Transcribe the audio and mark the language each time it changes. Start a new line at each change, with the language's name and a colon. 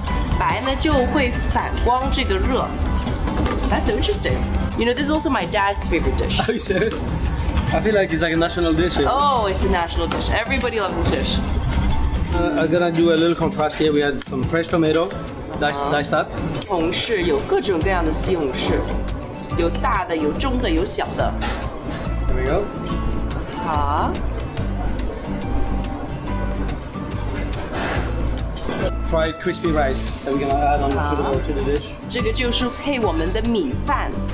Chinese: 原来所有的厨师穿白色就是这个原因,因为实在太热,白呢就会反光这个热.
English: That's interesting. You know, this is also my dad's favorite dish. Are you serious? I feel like it's like a national dish. It's a national dish. Everybody loves this dish. I'm gonna do a little contrast here. We had some fresh tomato. Diced up.
Chinese: 西红柿, 有各种各样的西红柿, 有大的, 有中的, 有小的.
English: Here we go. Fried crispy rice that we're gonna add on the table to the dish.
Chinese: 这个就是配我们的米饭.